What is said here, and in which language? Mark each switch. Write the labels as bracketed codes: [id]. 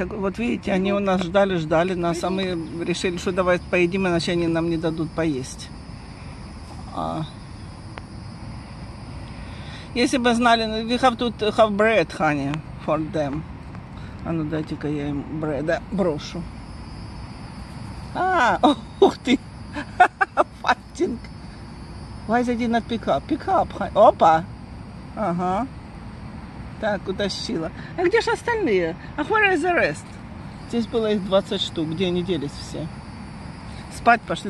[ru] Вот видите, они у нас ждали нас, а мы решили, что давай поедим, иначе они нам не дадут поесть. А... Если бы знали, [en] we have to have bread, honey, for them. [ru] А ну дайте-ка я им бреда брошу. А, ух ты! [en] Fighting! Why they did not pick up? Pick up, honey. [ru] Опа! Ага. Так, утащила. А где же остальные? А [en] where is the rest? [ru] Здесь было их 20 штук. Где они делись все? Спать пошли.